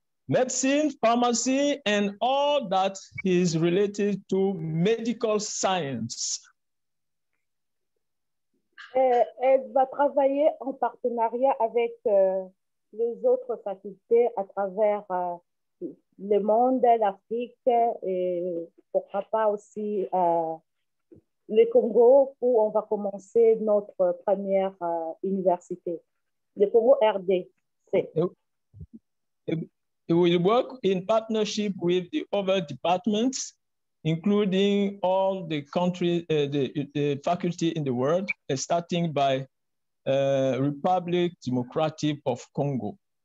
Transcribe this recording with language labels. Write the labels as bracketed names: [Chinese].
[English] Medicine, pharmacy, and all that is related to medical science. [French] Elle va travailler en partenariat avec les autres facultés à travers le monde, l'Afrique, et pourquoi pas aussi le Congo, où on va commencer notre première université. Le Congo RDC. [English] It will work in partnership with the other departments, including all the countries, the faculty in the world, starting by Republic Democratic of Congo.